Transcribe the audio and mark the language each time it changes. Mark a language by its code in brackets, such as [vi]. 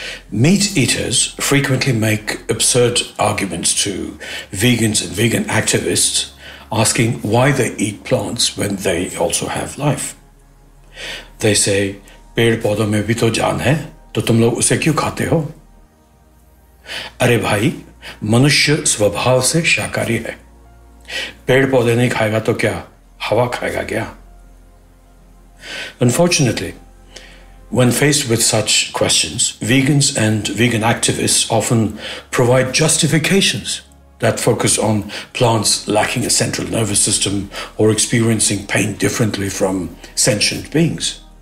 [en] Meat eaters frequently make absurd arguments to vegans and vegan activists, asking why they eat plants when they also have life. They say, [hi] पेड़ पौधों में भी तो जान है, तो तुम लोग उसे क्यों खाते हो? अरे भाई, मनुष्य स्वभाव से शाकाहारी है। पेड़ पौधे नहीं खाएगा तो क्या? हवा खाएगा क्या? [en] Unfortunately, when faced with such questions, vegans and vegan activists often provide justifications that focus on plants lacking a central nervous system or experiencing pain differently from sentient beings.